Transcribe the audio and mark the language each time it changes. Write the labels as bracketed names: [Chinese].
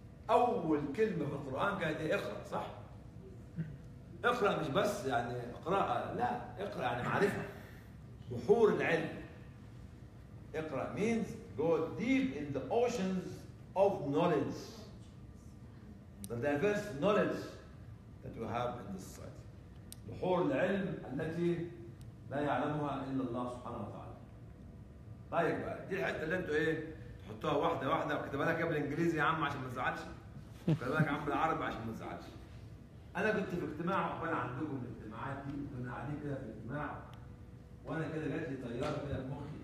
[Arabic] أول كلمة في القرآن كانت اقرأ صح؟ اقرأ مش بس يعني قراءة، لا اقرأ يعني معرفة، بحور العلم. اقرأ [English] means go deep in the oceans of knowledge. The diverse knowledge that you have in this society. [Arabic] بحور العلم التي لا يعلمها إلا الله سبحانه وتعالى. طيب بقى دي الحتة اللي انتوا ايه تحطوها واحدة واحدة وكتبها لك قبل انجليزي يا عم عشان ما تزعلش، وكتبها لك عم بالعربي عشان ما تزعلش. انا كنت في اجتماع وقبل عندكم الاجتماعات دي، وكنا قاعدين كده في اجتماع وانا كده جات لي طيارة كده بمخي.